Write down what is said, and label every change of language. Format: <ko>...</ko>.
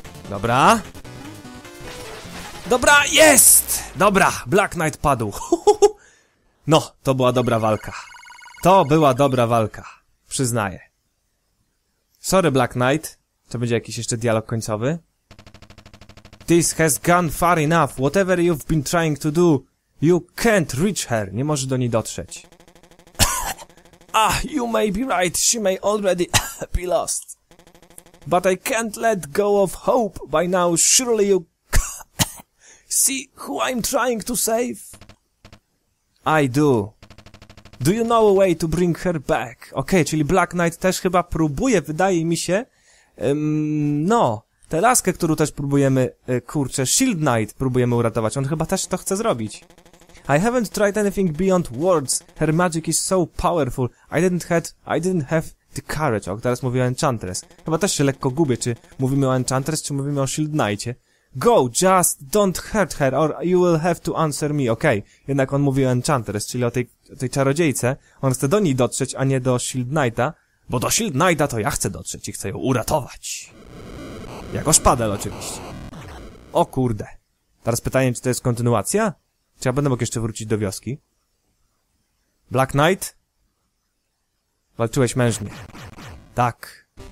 <pl>Dobra. Dobra, jest! Dobra, Black Knight padł. No, to była dobra walka. To była dobra walka. Przyznaję. Sorry, Black Knight. To będzie jakiś jeszcze dialog końcowy.</pl> <en>This has gone far enough. Whatever you've been trying to do, you can't reach her.</en> <pl>Nie możesz do niej dotrzeć.</pl> <en>Ah, you may be right. She may already be lost. But I can't let go of hope by now. Surely you see who I'm trying to save? I do. Do you know a way to bring her back?</en> <pl>Okej, okay, czyli Black Knight też chyba próbuje, wydaje mi się. No, tę laskę, którą też próbujemy, kurczę, Shield Knight próbujemy uratować. On chyba też to chce zrobić.</pl> <en>I haven't tried anything beyond words. Her magic is so powerful. I didn't have The Courage,</en> <pl>ok, teraz mówię o Enchantress. Chyba też się lekko gubię, czy mówimy o Enchantress, czy mówimy o Shield Knightie.</pl> <en>Go, just don't hurt her, or you will have to answer me, ok.</en> <pl>Jednak on mówi o Enchantress, czyli o tej czarodziejce. On chce do niej dotrzeć, a nie do Shield Knighta. Bo do Shield Knighta to ja chcę dotrzeć i chcę ją uratować. Jako szpadel oczywiście. O kurde. Teraz pytanie, czy to jest kontynuacja? Czy ja będę mógł jeszcze wrócić do wioski? Black Knight? Walczyłeś mężnie. Tak.</pl>